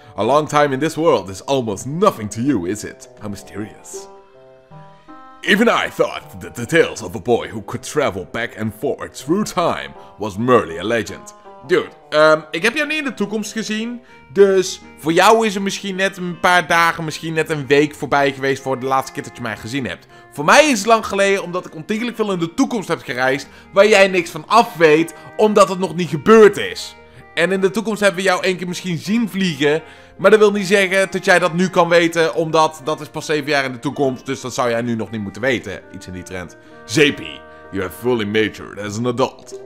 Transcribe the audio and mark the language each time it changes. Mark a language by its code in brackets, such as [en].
[en] A long time in this world is almost nothing to you, is it? How mysterious. Even I thought that the tales of a boy who could travel back and forth through time was merely a legend. [nl] Dude, ik heb jou niet in de toekomst gezien. Dus voor jou is er misschien net een paar dagen, misschien net een week voorbij geweest voor de laatste keer dat je mij gezien hebt. Voor mij is het lang geleden omdat ik ontiegelijk veel in de toekomst heb gereisd waar jij niks van af weet omdat het nog niet gebeurd is. En in de toekomst hebben we jou 1 keer misschien zien vliegen. Maar dat wil niet zeggen dat jij dat nu kan weten, omdat dat is pas 7 jaar in de toekomst. Dus dat zou jij nu nog niet moeten weten. Iets in die trend. [en] Zeepie, you have fully matured as an adult.